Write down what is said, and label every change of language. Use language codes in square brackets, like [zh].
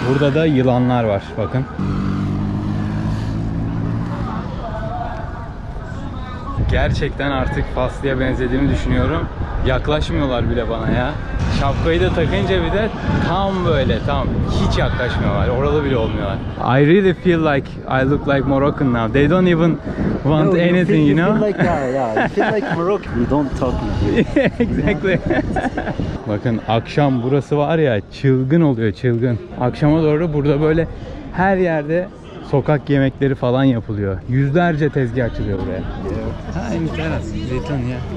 [tr] Burada da yılanlar var bakın. Gerçekten artık Faslı'ya benzediğimi düşünüyorum. Yaklaşmıyorlar bile bana ya. Şapkayı da takınca bir de tam böyle tam hiç yaklaşmıyorlar. Oralı bile olmuyorlar. [en] I really feel like I look like Moroccan now. They don't even want no, anything, you know? You feel like Moroccan. You don't talk with you. Exactly. [tr] Bakın akşam burası var ya çılgın oluyor çılgın. Akşama doğru burada böyle her yerde sokak yemekleri falan yapılıyor. Yüzlerce tezgah açılıyor buraya. Ha in teras. Zeytun ya.